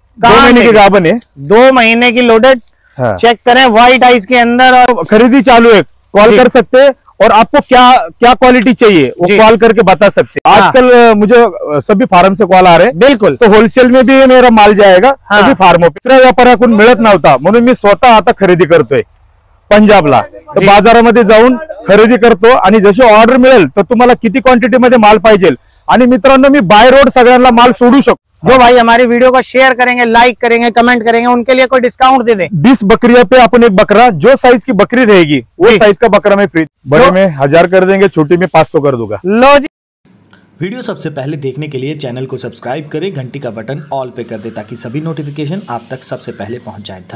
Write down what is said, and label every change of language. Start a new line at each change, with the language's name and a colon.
Hindi: कान गाबन है, दो महीने की लोडेड। हाँ। चेक करें व्हाइट आइज के अंदर, और खरीदी चालू है, कॉल कर सकते हैं, और आपको क्या क्या क्वालिटी चाहिए वो कॉल करके बता सकते हैं। आजकल मुझे सभी फार्म से कॉल आ रहे हैं, बिल्कुल, तो होलसेल में भी मेरा माल जाएगा। हाँ। सभी फार्मों पर व्यापार कुछ मिलत ना होता,
Marathi: म्हणून मी स्वतः आता खरीदी करतोय पंजाबला, तो बाजारामध्ये जाऊन खरेदी करतो, आणि जसे ऑर्डर मिळेल तर तुम्हाला किती क्वांटिटी मध्ये माल पाहिजे। आणि मित्रांनो, मी बाय रोड सगळ्यांना माल सोडू शकतो।
Hindi: जो भाई हमारी वीडियो को शेयर करेंगे, लाइक करेंगे, कमेंट करेंगे, उनके लिए कोई डिस्काउंट दे दें। 20 बकरियों पे अपन एक बकरा, जो साइज की बकरी रहेगी वो साइज का बकरा मैं फ्री, बड़े में 1000 कर देंगे, छोटी में 500 कर दूंगा। लो जी, वीडियो सबसे पहले देखने के लिए चैनल को सब्सक्राइब करें, घंटी का बटन ऑल पे कर दे, ताकि सभी नोटिफिकेशन आप तक सबसे पहले पहुंच जाए।